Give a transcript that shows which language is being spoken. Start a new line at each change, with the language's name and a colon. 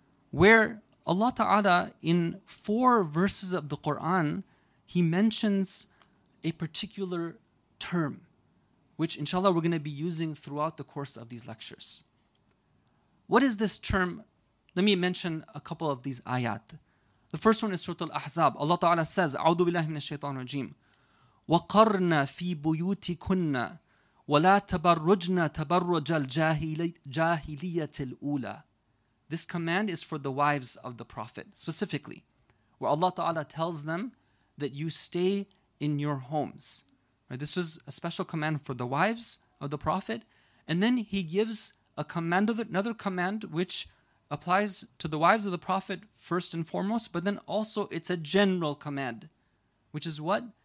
English: where Allah Ta'ala, in four verses of the Quran, He mentions a particular term, which inshallah we're going to be using throughout the course of these lectures. What is this term? Let me mention a couple of these ayat. The first one is Surah Al-Ahzab. Allah Ta'ala says,
Arabic: أَعُوذُ بِاللَّهِ مِنَ الشَّيْطَانِ الرَّجِيمِ وَقَرْنَا فِي بُيُوتِكُنَّ وَلَا تَبَرُّجْنَا تَبَرُّجَ الْجَاهِلِيَّةِ الْأُولَى.
English: This command is for the wives of the Prophet, specifically, where Allah Ta'ala tells them that you stay in your homes. Right? This was a special command for the wives of the Prophet. And then he gives a command of another command, which applies to the wives of the Prophet first and foremost, but then also it's a general command, which is what?